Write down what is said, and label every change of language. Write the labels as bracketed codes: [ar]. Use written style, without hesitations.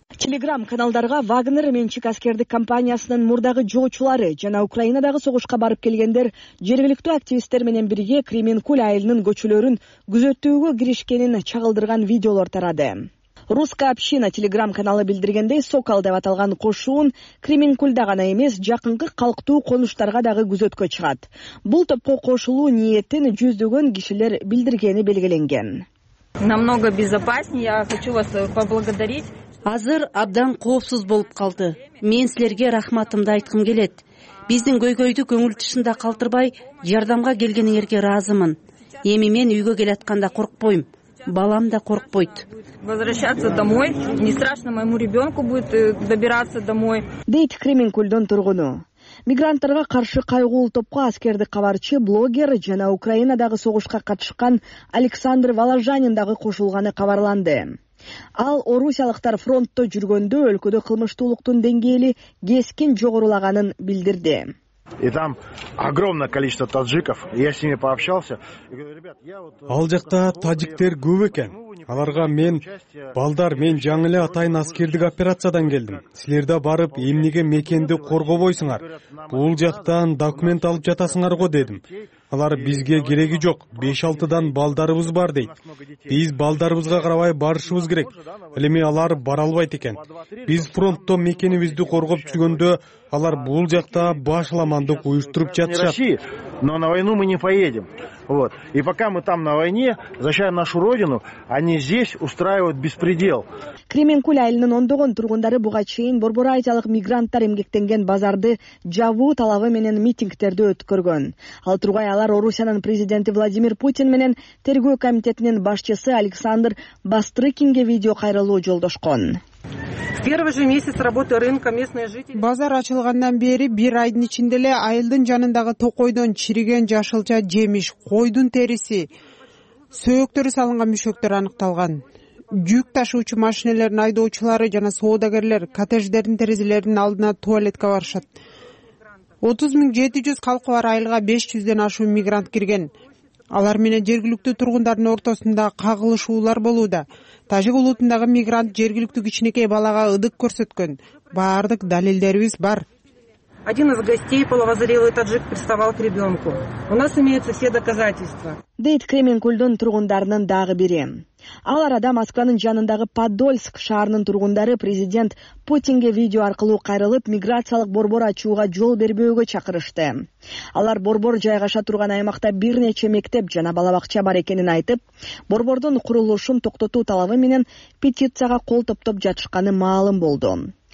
[ky] Телеграм каналдарга Вагнер менчик аскердик компаниясынын мурдагы жоочулары жана Украинадагы согушка барып келгендер жергиликтүү активисттер менен бирге Кременколь айылынын көчөлөрүн күзөтүүгө киришкенин чагылдырган видеолор тарады. Русская община телеграм каналы билдиргендей, Сокол деп аталган кошуун Кременкульда гана эмес, жакынкы калктуу конуштарга дагы күзөткө чыгат. Бул топко кошулуу ниетин жүздөгөн кишилер билдиргени белгиленген. [ru] Намного безопаснее, я хочу вас поблагодарить. [ky] Азыр абдан коопсуз болуп калды. Мен силерге рахматымды айткым келет. Биздин көйгөйдү көңүл тышында калтырбай, жардамга келгениңерге ыраазымын. Эми мен үйгө келатканда коркпойм. Балам да коркпойт. [ru] Возвращаться домой не страшно, моему ребенку будет добираться домой. [ky] Дейт Кременкульдон тургуну. Мигранттарга каршы кайгуул топко аскердик кабарчы, блогер жана Украинадагы согушка катышкан Александр Валажанин дагы кошулганы кабарланды. Ал орусиялыктар фронтто жүргөндө өлкөдө кылмыштуулуктун деңгээли кескин жогорулаганын билдирди. [ru] И там огромное количество таджиков. Я с ними пообщался. [ky] Ал жакта таджиктер көп экен. Аларга мен балдар, мен жаңы эле атайын аскердик операциядан келдим. Силерде барып эмнеге мекенди коргобойсуңар? Бул жактан документ алып жатасыңар го дедим. Алар бизге кереги жок. 5-6дан балдарыбыз бар дейт. Биз балдарыбызга карабай барышыбыз керек. Элеми алар бара албайт экен. Биз фронтто мекенибизди коргоп жүргөндө алар бул жакта башламандык уюштуруп жатышат. [ru] Но на войну мы не поедем. Вот. И пока мы там на войне, защищая нашу родину, они здесь устраивают беспредел. [ky] Кременкуль айылынын ондогон тургундары буга чейин борбор айылдык мигранттар эмгектенген базарды жабуу талабы менен митингдерди өткөргөн. Ал тургай алар Орусиянын президенти Владимир Путин менен тергөө комитетинин башчысы Александр Бастрыкинге видео кайрылуу жолдошкон. [ru] В первый же месяц работы рынка местные жители. [ky] Базар ачылгандан бери бир айдын ичинде эле айылдын жанындагы токойдон чириген жашылча жемиш, койдун териси, сөөктөрү салынган мүшөктөр аныкталган. Жүк ташуучу машинелердин айдоочулары жана соодагерлер коттедждердин терезелеринин алдына туалетке барышат. 30700 калкы бар айылга 500'ден ашуун мигрант кирген. Алар менен жергиликтүү тургундардын ортосунда кагылышуулар болууда. Тажик улутундагы мигрант жергиликтүү кичинекей балага ыдык көрсөткөн. Баардык далилдерибиз бар. [ru] Один из гостей, половозрелый таджик, приставал к ребенку. У нас имеются все доказательства. [ky] Дейт Кременкульдун тургундарынын дагы бири. Ал арада Москванын жанындагы Подольск шаарынын тургундары президент Путинге видео аркылуу кайрылып, миграциялык борбор ачууга жол бербөөгө чакырышты. Алар борбор жайгаша турган аймакта бир нече мектеп жана балабакча бар экенин айтып, борбордун курулушун токтотуу талабы менен петицияга кол топтоп жатышканы маалым болду.